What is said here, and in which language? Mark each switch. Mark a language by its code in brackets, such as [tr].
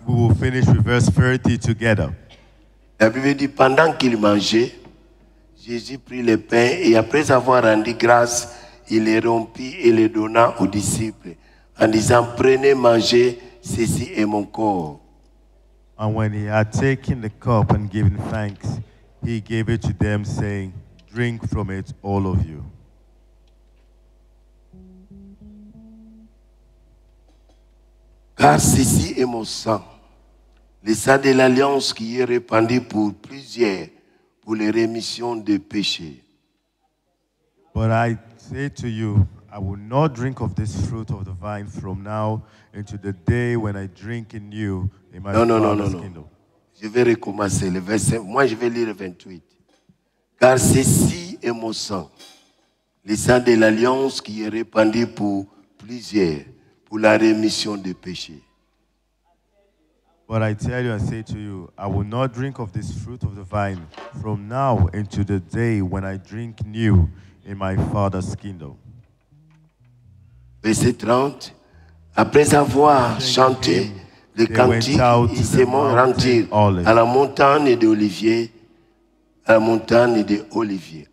[en] We will finish with verse 30 together. [fr] La Bible dit, pendant qu'il mangeait, Jésus prit le pain et après avoir rendu grâce, il les rompit et les donna aux disciples en disant, prenez, mangez, ceci est mon corps. [en] And when he had taken the cup and given thanks, he gave it to them saying, drink from it, all of you. [fr] Car ceci est mon sang. Le sang de l'alliance qui est répandu pour plusieurs pour les rémissions des péchés. [en] But I say to you, I will not drink of this fruit of the vine from now into the day when I drink in you in my Father's kingdom. [fr] Non. Je vais recommencer le verset. Moi, je vais lire le 28. Car ceci est mon sang, le sang de l'alliance qui est répandu pour plusieurs pour la rémission des péchés. [en] But I tell you and say to you, I will not drink of this fruit of the vine from now into the day when I drink new in my Father's kingdom. [fr] Verset 30. Après avoir chanté le cantique, ils se sont rendus à la montagne d'Olivier, à la montagne d'Olivier.